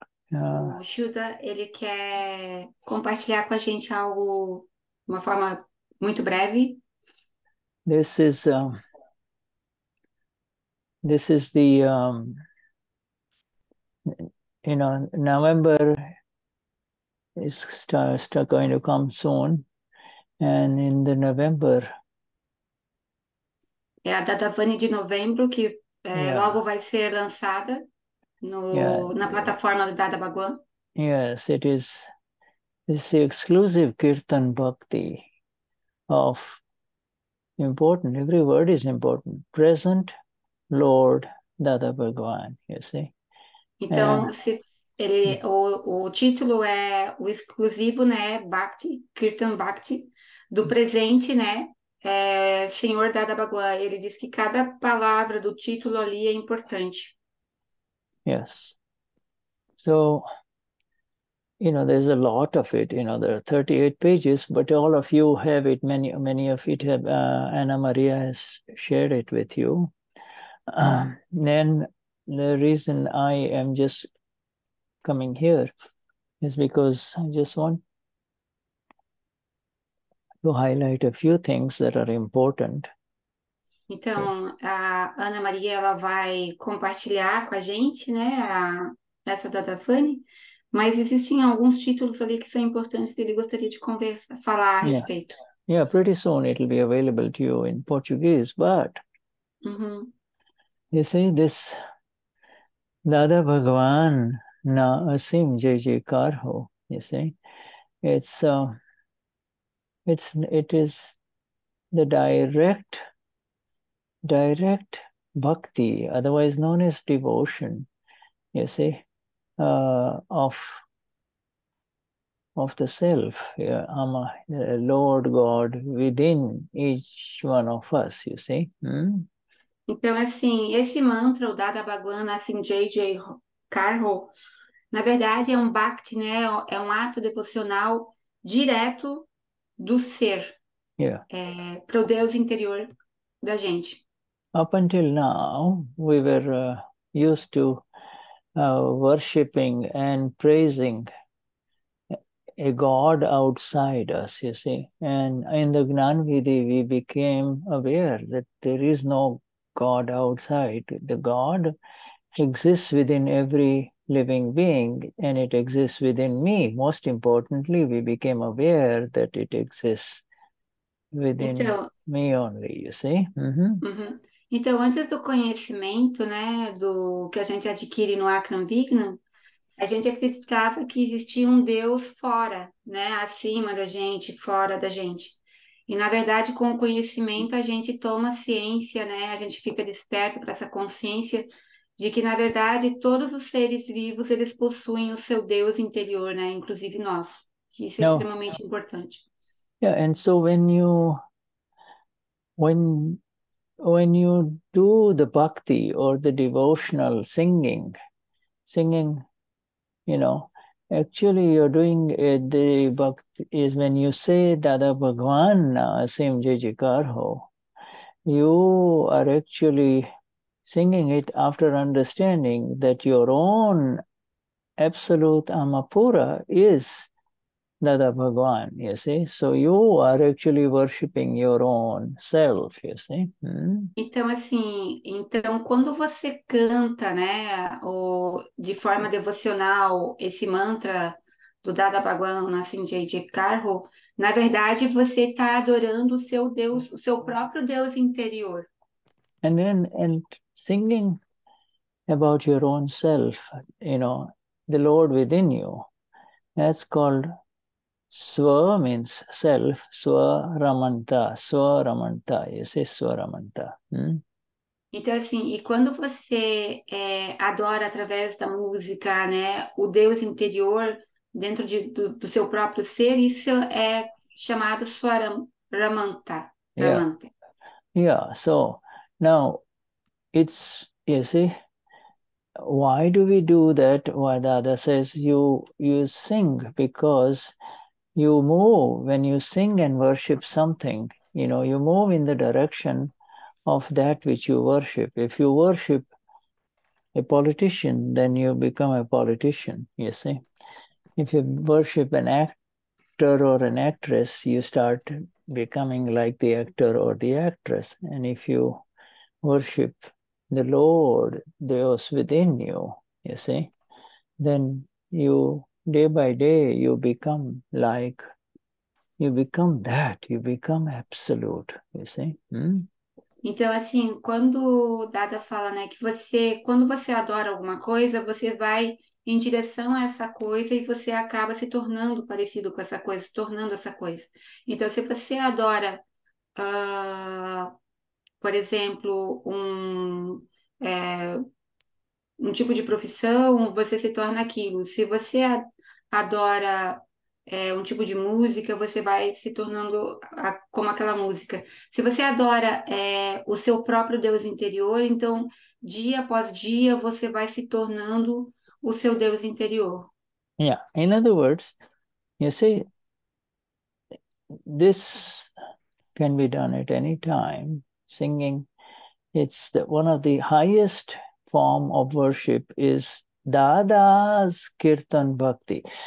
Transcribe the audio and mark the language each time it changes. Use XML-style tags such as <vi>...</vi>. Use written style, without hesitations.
<pt>O Shuddha, ele quer compartilhar com a gente algo de uma forma muito breve.</pt> <en>November is start going to come soon, and in the November.</en> <pt>É a data Vani de novembro, que logo vai ser lançada na plataforma do Dada Bhagwan.</pt> <en>Yes, it is this exclusive kirtan bhakti of important, every word is important, present Lord Dada Bhagwan, you see.</en> <pt>Então, o título é o exclusivo, né, bhakti, kirtan bhakti, do presente, né, Senhor Dada Bhagwan, ele diz que cada palavra do título ali é importante.</pt> <en>Yes. So, you know, there's a lot of it, you know, there are 38 pages, but all of you have it, many of it have, Ana Maria has shared it with you. Then the reason I am just coming here is because I just want to highlight a few things that are important.</en> <pt>Então, a Ana Maria, ela vai compartilhar com a gente, né, essa data Fani, mas existem alguns títulos ali que são importantes que ele gostaria de falar a respeito.</pt> <en>Yeah, pretty soon it will be available to you in Portuguese, but you see, this Dada Bhagwan Na Aseem JJ Karho, you see, it is the direct bhakti, otherwise known as devotion, you see, of the self, Lord God within each one of us, you see.</en> <pt>Então, assim, esse mantra, o Dada Bhagwan, assim, JJ Karho, na verdade é um bhakti, né, é um ato devocional direto do ser, para o Deus interior da gente.</pt> <en>Up until now, we were used to worshipping and praising a god outside us, you see. And in the Gnani Vidhi, we became aware that there is no god outside. The god exists within every living being, and it exists within me. Most importantly, we became aware that it exists within me only, you see.</en> <pt>Então, antes do conhecimento, né, do que a gente adquire no Akram Vignan, a gente acreditava que existia um Deus fora, né, acima da gente, fora da gente. E, na verdade, com o conhecimento, a gente toma ciência, né, a gente fica desperto para essa consciência de que, na verdade, todos os seres vivos, eles possuem o seu Deus interior, né, inclusive nós. Isso é extremamente importante.</pt> <en>Yeah, and so when you when you do the bhakti or the devotional singing, you know, actually you're doing it, the bhakti is when you say Dada Bhagwan Na Aseem Jijikar Ho, you are actually singing it after understanding that your own absolute Amapura is Dada Bhagwan, you see? So you are actually worshipping your own self, you see?</en> <pt>Então, assim, então, quando você canta, né, ou de forma devocional, esse mantra do Dada Bhagwan Na Aseem Jijikar Ho, na verdade, você está adorando o seu Deus, o seu próprio Deus interior.</pt> <en>And singing about your own self, you know, the Lord within you, that's called Sva means self, Swaramanta, you say Swaramanta.</en> <pt>Então, assim, e quando você adora através da música, né, o Deus interior dentro do seu próprio ser, isso é chamado Swaramanta.</pt> <en>Yeah, so now it's, you see, why do we do that? Why Dada says you sing because you move, when you sing and worship something, you know, you move in the direction of that which you worship. If you worship a politician, then you become a politician, you see. If you worship an actor or an actress, you start becoming like the actor or the actress. And if you worship the Lord, Deus within you see, then you day by day you become like, you become that, you become absolute, you see.</en> <pt>Então, assim, quando Dada fala, né, que você, quando você adora alguma coisa, você vai em direção a essa coisa e você acaba se tornando parecido com essa coisa, se tornando essa coisa. Então, se você adora, por exemplo, um tipo de profissão, você se torna aquilo. Se você adora um tipo de música, você vai se tornando como aquela música. Se você adora o seu próprio Deus interior, então, dia após dia, você vai se tornando o seu Deus interior.</pt> <en>Yeah, in other words, you see, this can be done at any time, singing. It's the, one of the highest form of worship is Dada's Kirtan Bhakti.</en>